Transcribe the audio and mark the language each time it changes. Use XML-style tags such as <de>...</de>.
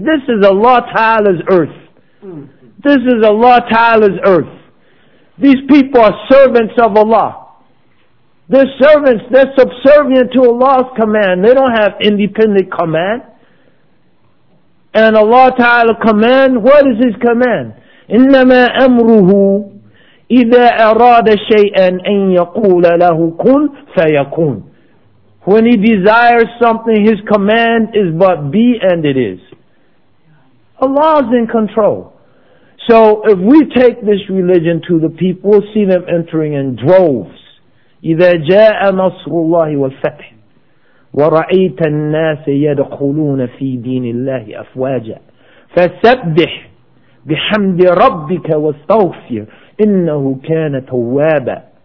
<en>This is Allah Ta'ala's earth. This is Allah Ta'ala's earth. These people are servants of Allah. They're servants. They're subservient to Allah's command. They don't have independent command. And Allah Ta'ala command, what is His command?</en> <ar>إِنَّمَا أَمْرُهُ إِذَا أَرَادَ شَيْئًا أَن يَقُولَ لَهُ كُنْ فَيَكُونَ.</ar> <en>When He desires something, His command is but be and it is. Allah is in control. So if we take this religion to the people, we'll see them entering in droves.</en> <ar>إِذَا جَاءَ نَصْرُ اللَّهِ وَالْفَتْحِ وَرَأَيْتَ النَّاسَ يَدْخُلُونَ فِي دِينِ اللَّهِ أَفْوَاجًا فَسَبِّحْ بِحَمْدِ رَبِّكَ وَاسْتَغْفِرْ إِنَّهُ كَانَ تَوَّابًا.</ar>